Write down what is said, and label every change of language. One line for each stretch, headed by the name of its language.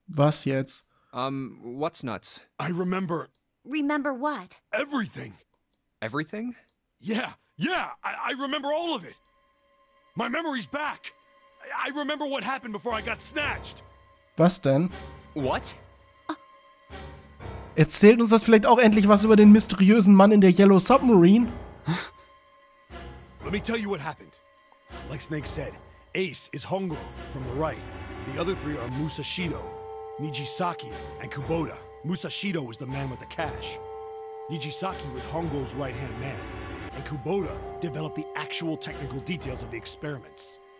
German: Was jetzt?
English: What's nuts? I remember. Remember what? Everything. Everything? Yeah, I remember all of it. My memory's back. I remember what happened before I got snatched.
German: Was denn?
English: What?
German: Erzählt uns das vielleicht auch endlich was über den mysteriösen Mann in der Yellow Submarine?
English: Let me tell you what happened. Like Snake said, Ace is Hongo from the right. The other three are Musashiro, Nijisaki, and Kubota. Musashiro was the man with the cash. Nijisaki was Hongo's right-hand man. And Kubota developed the actual technical details of the experiments.